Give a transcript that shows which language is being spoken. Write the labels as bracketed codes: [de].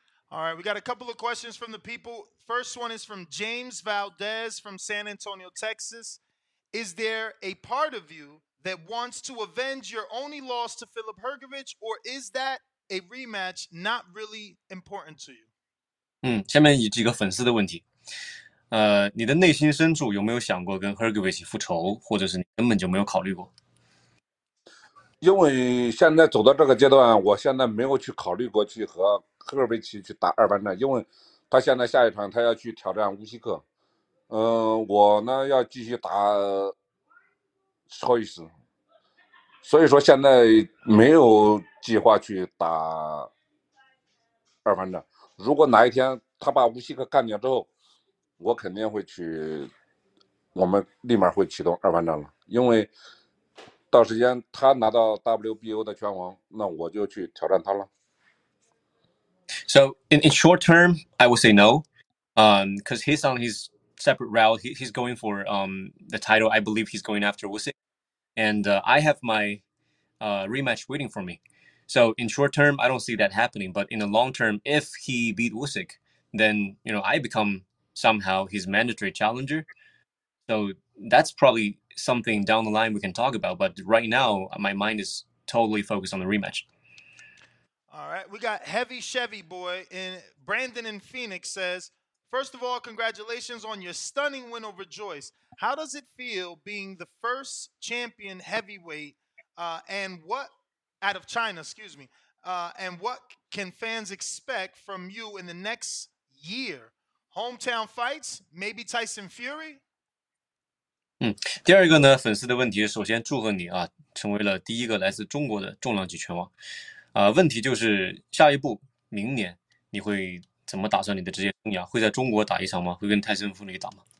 [en] All right, we got a couple of questions from the people. First one is from James Valdez from San Antonio, Texas. Is there a part of you that wants to avenge your only loss to Filip Hergovic, or is that a rematch not really important to you? [zh] 下面有几个粉丝的问题。你的内心深处有没有想过跟 Hergovic 复仇，或者是你根本就没有考虑过？因为现在走到这个阶段，我现在没有去考虑过去和赫尔维奇去打二番战，因为他现在下一场他要去挑战乌西克，我呢要继续打乔伊斯，所以说现在没有计划去打二番战。如果哪一天他把乌西克干掉之后，我肯定会去，我们立马会启动二番战了，因为到时间他拿到 WBO 的拳王，那我就去挑战他了。 [en] So in short term, I would say no, because he's on his separate route. He's going for the title. I believe he's going after Usyk, and I have my rematch waiting for me. So in short term, I don't see that happening. But in the long term, if he beat Usyk, then you know I become somehow his mandatory challenger. So that's probably something down the line we can talk about. But right now, my mind is totally focused on the rematch. All right, we got Heavy Chevy Boy in Brandon in Phoenix says, first of all, congratulations on your stunning win over Joyce. How does it feel being the first champion heavyweight, and what out of China, excuse me. And what can fans expect from you in the next year? Hometown fights? Maybe Tyson Fury? [zh] 第二个呢，粉丝的问题，首先祝贺你啊，成为了第一个来自中国的重量级拳王。问题就是下一步，明年你会怎么打算你的职业生涯？会在中国打一场吗？会跟泰森·弗里打吗？